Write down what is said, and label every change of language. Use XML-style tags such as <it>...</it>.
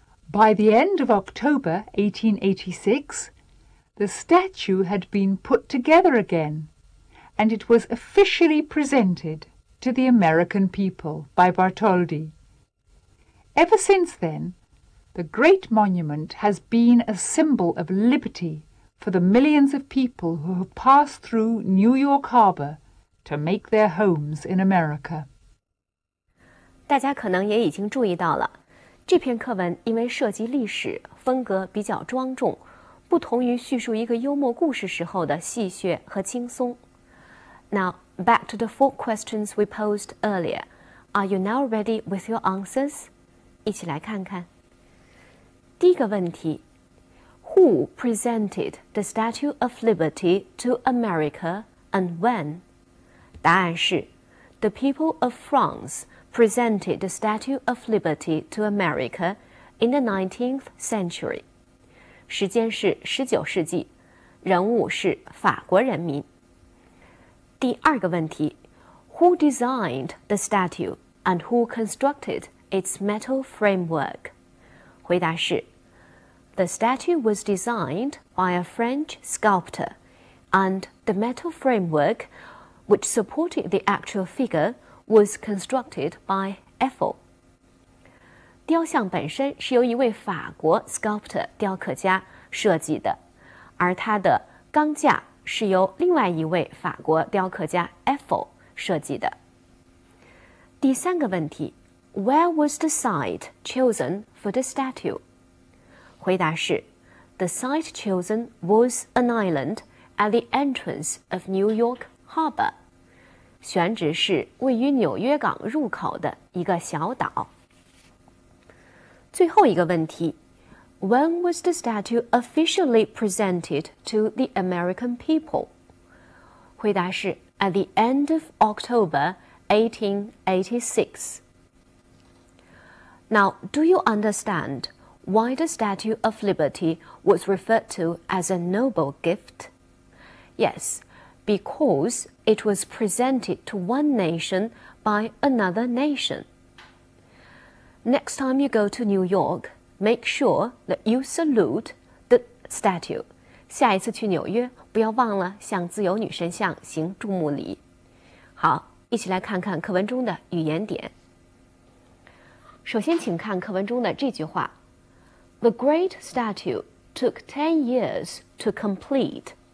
<en>By the end of October 1886, the statue had been put together again, and it was officially presented to the American people by Bartholdi. Ever since then, the great monument has been a symbol of liberty for the millions of people who have passed through New York Harbor to make their homes in America.</en> <zh>大家可能也已经注意到了。这篇课文因为涉及历史，风格比较庄重，不同于叙述一个幽默故事时候的戏谑和轻松。</zh> <en>Now, back to the four questions we posed earlier. Are you now ready with your answers?</en> <zh>一起来看看。第一个问题</zh> <en>,Who presented the Statue of Liberty to America and when?</en> <zh>答案是</zh> <en>,The people of France,presented the Statue of Liberty to America in the 19th century.</en> <zh>时间是19世纪，人物是法国人民。第二个问题</zh> <en>,Who designed the statue and who constructed its metal framework?</en> <zh>回答是</zh> <en>,The statue was designed by a French sculptor, and the metal framework which supported the actual figureWas constructed by Eiffel.</en> <zh>雕像本身是由一位法国 sculptor 雕刻家设计的，而它的钢架是由另外一位法国雕刻家 Eiffel 设计的。第三个问题</zh> <en>,Where was the site chosen for the statue?</en> <zh>回答是</zh> <en>,The site chosen was an island at the entrance of New York Harbor.</en> <zh>选址是位于纽约港入口的一个小岛。最后一个问题</zh> <en>,When was the statue officially presented to the American people?</en> <zh>回答是</zh> <en>,At the end of October,1886. Now, do you understand why the Statue of Liberty was referred to as a noble gift? Yes, because it was presented to one nation by another nation. Next time you go to New York, make sure that you salute the statue.</en> <zh>下一次去纽约，不要忘了向自由女神像行注目礼。好。一起来看看课文中的语言点。首先请看课文中的这句话</zh> <en>The great statue took 10 years to complete.</en>